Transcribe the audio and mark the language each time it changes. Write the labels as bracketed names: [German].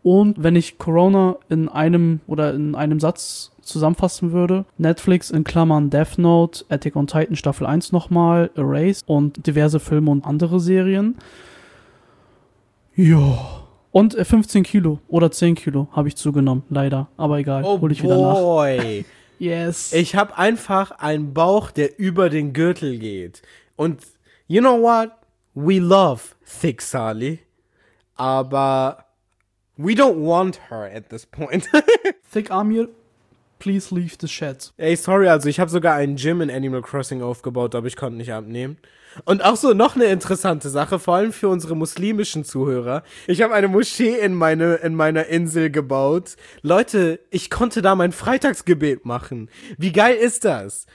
[German] Und wenn ich Corona in einem Satz zusammenfassen würde, Netflix in Klammern Death Note, Attack on Titan Staffel 1 nochmal, Erased und diverse Filme und andere Serien. Ja. Und 15 Kilo oder 10 Kilo habe ich zugenommen, leider. Aber egal, hol ich wieder nach. [English] Oh boy. Yes. Ich habe einfach einen Bauch, der über den Gürtel geht. [German] Und [English] you know what? We love thick Sally. [German] Aber [English] we don't want her at this point. Thick Amir, please leave the chat. [German] Ey, sorry, also ich habe sogar einen Gym in Animal Crossing aufgebaut, aber ich konnte nicht abnehmen. Und auch so noch eine interessante Sache, vor allem für unsere muslimischen Zuhörer. Ich habe eine Moschee in meiner Insel gebaut. Leute, ich konnte da mein Freitagsgebet machen. Wie geil ist das?